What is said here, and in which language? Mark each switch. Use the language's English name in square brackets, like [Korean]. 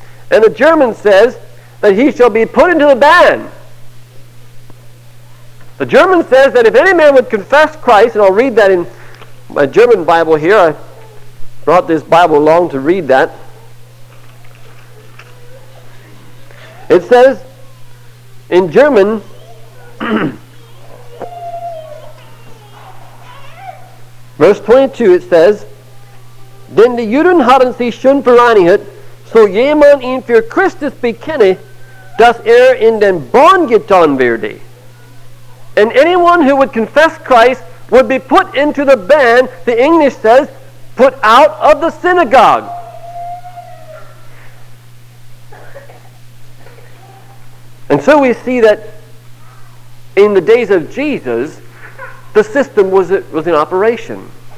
[English] And the German says that he shall be put into the ban. The German says that if any man would confess Christ, and I'll read that in my German Bible here. I brought this Bible along to read that. It says in German, verse 22, it says, [German] Denn die Juden haben sich schon bereinigt, so jemand ihn für Christus bekenne, dass er in den Bann getan werde. [English] And anyone who would confess Christ would be put into the ban, the English says, put out of the synagogue. And so we see that in the days of Jesus, the system was in operation.